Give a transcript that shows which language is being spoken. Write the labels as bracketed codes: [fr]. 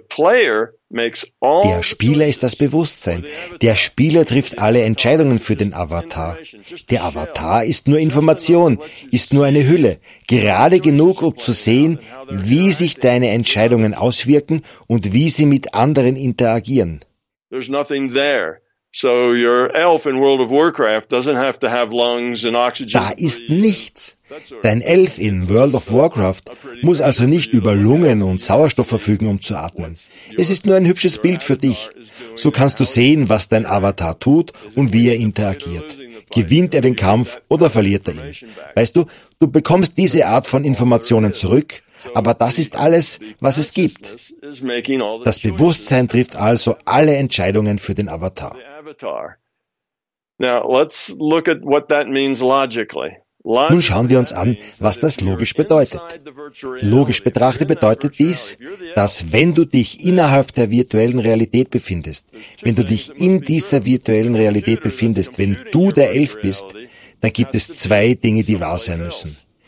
[de] Der Spieler ist das Bewusstsein. Der Spieler trifft alle Entscheidungen für den Avatar. Der Avatar ist nur Information, ist nur eine Hülle. Gerade genug, um zu sehen, wie sich deine Entscheidungen auswirken und wie sie mit anderen interagieren. [en] There's nothing there. So your elf in World of Warcraft doesn't have to have lungs and oxygen. [de] Da ist nichts. Dein Elf in World of Warcraft muss also nicht über Lungen und Sauerstoff verfügen, um zu atmen. Es ist nur ein hübsches Bild für dich. So kannst du sehen, was dein Avatar tut und wie er interagiert. Gewinnt er den Kampf oder verliert er ihn? Weißt du, du bekommst diese Art von Informationen zurück, aber das ist alles, was es gibt. Das Bewusstsein trifft also alle Entscheidungen für den Avatar. [en] Now, let's look at what that means logically. [de] Nun schauen wir uns an, was das logisch bedeutet. Logisch betrachtet bedeutet dies, dass wenn du dich innerhalb der virtuellen Realität befindest, wenn du dich in dieser virtuellen Realität befindest, wenn du der Elf bist, dann gibt es zwei Dinge, die wahr sein müssen.